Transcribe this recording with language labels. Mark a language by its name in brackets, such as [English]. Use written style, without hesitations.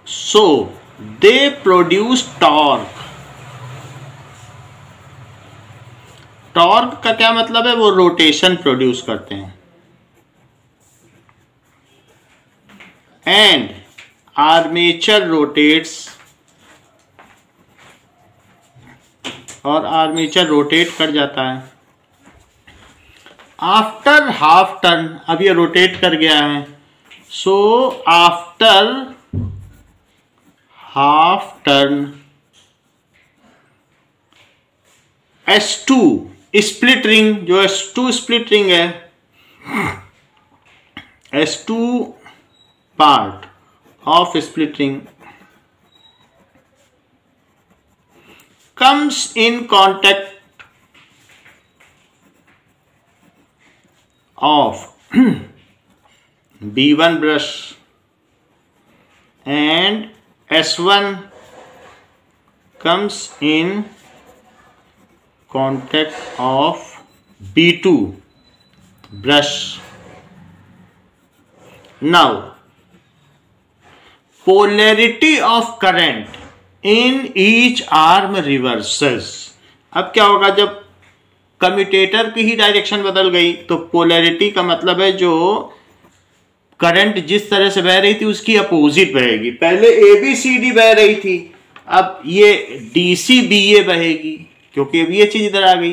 [English] So they produce torque. [Hindi] Torque का क्या मतलब है, वो rotation produce करते हैं। [English] And armature rotates [Hindi] और armature rotate कर जाता है [English] after half turn। [Hindi] अब ये rotate कर गया है, [English] so after half turn S2 split ring, [Hindi] जो S2 स्प्लिट रिंग है, [English] S2 part of split ring comes in contact of B1 brush and S1 comes in contact of B2 brush. Now, polarity of current in each arm reverses. [Hindi] अब क्या होगा, जब commutator की ही direction बदल गई तो polarity का मतलब है जो करंट जिस तरह से बह रही थी उसकी अपोजिट बहेगी। पहले ए बी सी डी बह रही थी, अब ये डी सी बी ए बहेगी, क्योंकि अब ये चीज इधर आ गई।